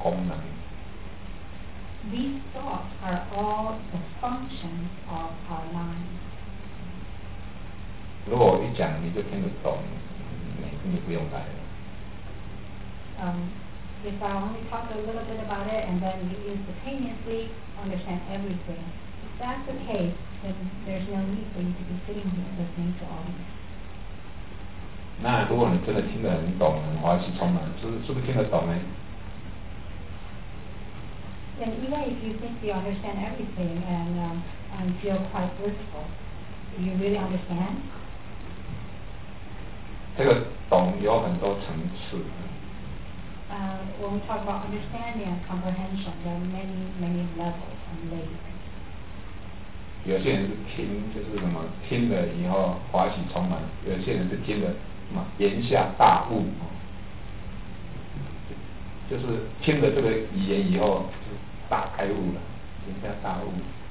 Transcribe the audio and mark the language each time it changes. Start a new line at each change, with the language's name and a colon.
English: These thoughts are all the functions of our mind.
Chinese: 如果我一讲你就听得懂，你不用来了。
English: If I only talk a little bit about it and then you instantaneously understand everything, if that's the case, then there's no need for you to be sitting here listening to all this.
Chinese: 那如果你真的听得很懂，很欢喜充满，是不是听得懂呢？
English: Then even if you think you understand everything and feel quite blissful, do you really understand?
Chinese: 这个懂有很多层次。
English: When we talk about understanding and comprehension, there are many, many levels and layers.
Chinese: 有些人是听，就是什么听了以后欢喜充满；有些人是听了什么言下大悟，就是听了这个语言以后就大开悟了，言下大悟。